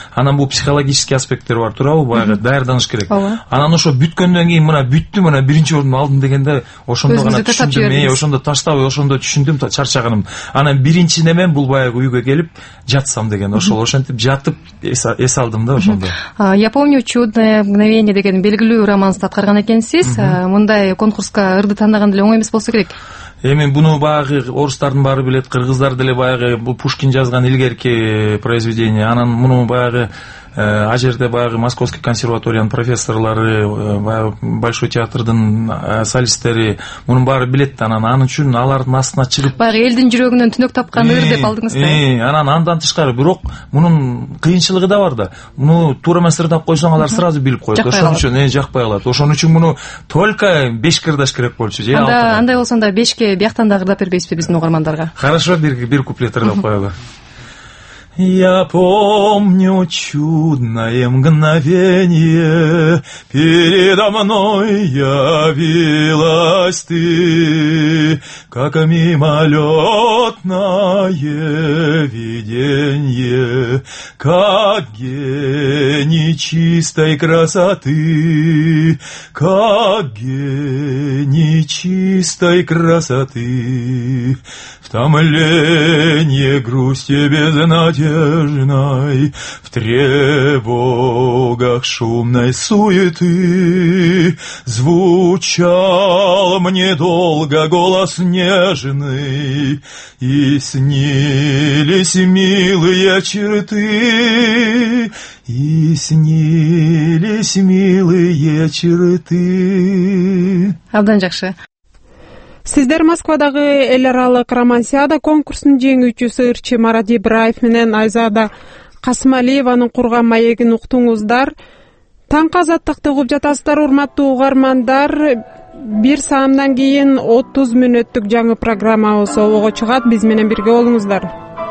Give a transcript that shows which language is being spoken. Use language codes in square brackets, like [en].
[ky] Анан бул психологический аспекттер бар, туурабы? Баягы даярданыш керек. Анан ошо бүткөндөн кийин мына бүттүм, мына биринчи орун алдым дегенде ошондо гана түшүндүм. Ошондо таштабай, ошондо түшүндүм чарчаганым. Анан биринчи немем бул баягы үйгө келип жатсам деген ошол, ошентип жатып эс алдым да ошондо. Я помню чудное мгновение деген белгилүү романсты аткарган экенсиз. Мындай конкурска ырды тандаган деле оңой эмес болсо керек. Эми буну баягы орустардын баары билет, кыргыздар деле баягы бул Пушкин жазган илгерки произведение. Анан муну баягы а жерде баягы Московский консерваториянын профессорлору, баягы Большой театрдын солисттери, мунун баары билет да. Анан ан үчүн алардын астына чыгып, баягы элдин жүрөгүнөн түнөк тапкан ыр деп алдыңыз да. Анан андан тышкары бирок мунун кыйынчылыгы да бар да, муну туура эмес ырдап койсоң алар сразу билип коет, ошон үчүн жакпай калат. Ошон үчүн муну только 5 ырдаш керек болчу же 6. Андай болсо анда 5 бияктан дагы ырдап бербейсизби биздин угармандарга? Хорошо, бир куплет ырдап коелу. [ru] Я помню чудное мгновение, передо мной явилась ты, как мимолетное видение, как гений чистой красоты, как гений нечистой красоты, в томленье грусти безнадежной, в тревогах шумной суеты звучал мне долго голос нежный, и снились милые черты, и снились милые черты. [ky] Абдан жакшы. Сиздер Москвадагы эл аралык романсиада конкурсунун жеңүүчүсү ырчы Марат Ибраев менен Айзада Касымалиеванын курган маегин уктуңуздар. Таң казаттыкты угуп жатасыздар, урматтуу угармандар. Бир саамдан кийин 30 мүнөттүк жаңы программабыз ого чыгат. Биз менен бирге болуңуздар.